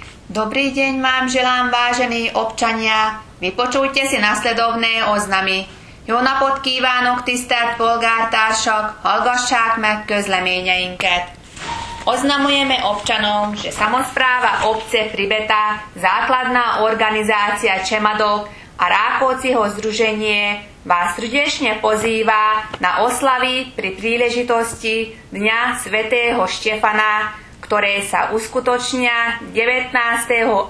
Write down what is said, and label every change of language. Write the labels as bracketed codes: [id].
[sk] Dobrý deň vám želám, vážení občania. Vypočujte si nasledovné oznamy. [hu] Jó napot kívánok, tisztelt polgártársak! Hallgassák meg közleményeinket! [sk] Oznamujeme občanom, že samospráva obce Pribeta, základná organizácia Čemadok a Rákócziho združenie vás srdečne pozýva na oslavy pri príležitosti Dňa svätého Štefana, ktoré sa uskutočnia 19.